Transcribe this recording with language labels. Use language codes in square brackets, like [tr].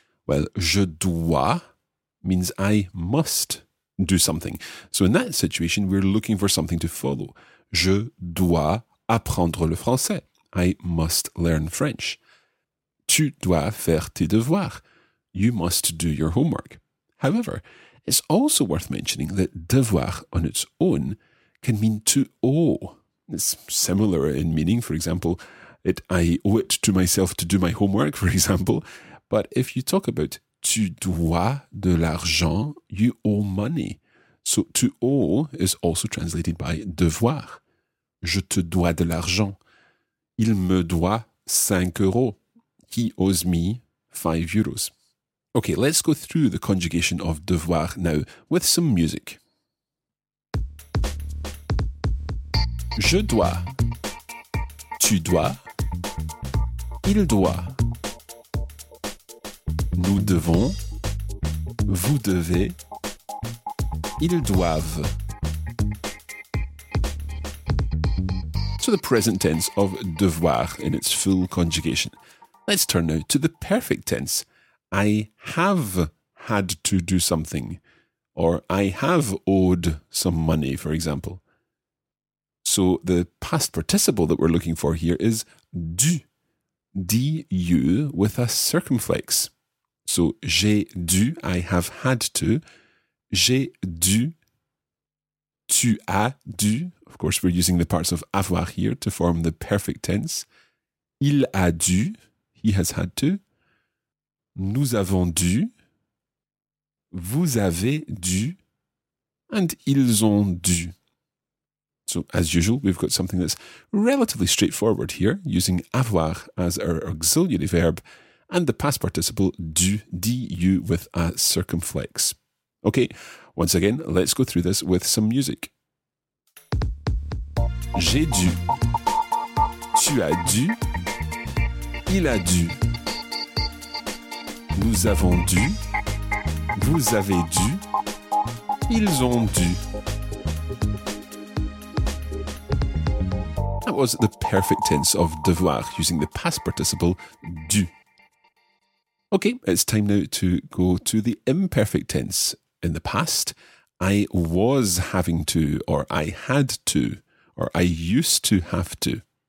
[en] Well, [fr] je dois [en] means I must do something. So in that situation, we're looking for something to follow. [fr] Je dois apprendre le français. [en] I must learn French. [fr] Tu dois faire tes devoirs. [en] You must do your homework. However, it's also worth mentioning that devoir on its own can mean to owe. It's similar in meaning. For example, I owe it to myself to do my homework, for example. But if you talk about [fr] tu dois de l'argent, [en] you owe money. So to owe is also translated by devoir. [fr] Je te dois de l'argent. Il me doit 5 euros. [en] He owes me 5 euros. Okay, let's go through the conjugation of devoir now with some music. [fr] Je dois. Tu dois. Il doit. Nous devons, vous devez, ils doivent. [en] So the present tense of devoir in its full conjugation. Let's turn now to the perfect tense. I have had to do something. or I have owed some money, for example. So the past participle that we're looking for here is dû, D-U with a circumflex. [fr] So j'ai dû, [en] I have had to, [fr] j'ai dû, tu as dû. [en] Of course, we're using the parts of avoir here to form the perfect tense. [fr] Il a dû, [en] he has had to. [fr] Nous avons dû, vous avez dû, and ils ont dû. [en] So, as usual, we've got something that's relatively straightforward here, using avoir as our auxiliary verb, and the past participle dû, D-U, with a circumflex. Okay, once again, let's go through this with some music. [fr] J'ai dû, tu as dû, il a dû. Nous avons dû, vous avez dû, ils ont dû. [en] That was the perfect tense of devoir using the past participle dû. Okay, it's time now to go to the imperfect tense. In the past, I was having to, or I had to, or I used to have to.